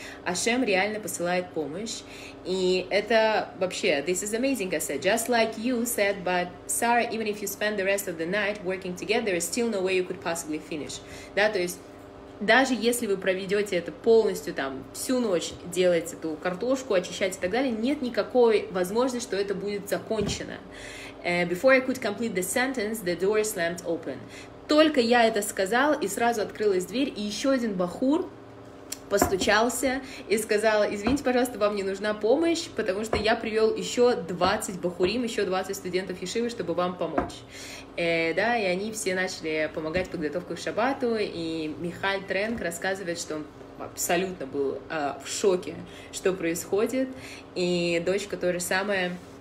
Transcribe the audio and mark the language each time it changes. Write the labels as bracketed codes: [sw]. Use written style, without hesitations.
[ru] Ашем реально посылает помощь, и это вообще, [en] this is amazing, I said, just like you said, but Sarah, even if you spend the rest of the night working together, there is still no way you could possibly finish. [ru] Да, то есть, даже если вы проведете это полностью, там, всю ночь делать эту картошку, очищать и так далее, нет никакой возможности, что это будет закончено. [en] Before I could complete the sentence, the door slammed open. [ru] Только я это сказал, и сразу открылась дверь, и еще один бахур постучался и сказал, извините, пожалуйста, вам не нужна помощь, потому что я привел еще 20 бахурим, еще 20 студентов ешивы, чтобы вам помочь. Да, и они все начали помогать подготовку к шабату, и Михаль Тренк рассказывает, что он абсолютно был в шоке, что происходит, и дочка то же самое...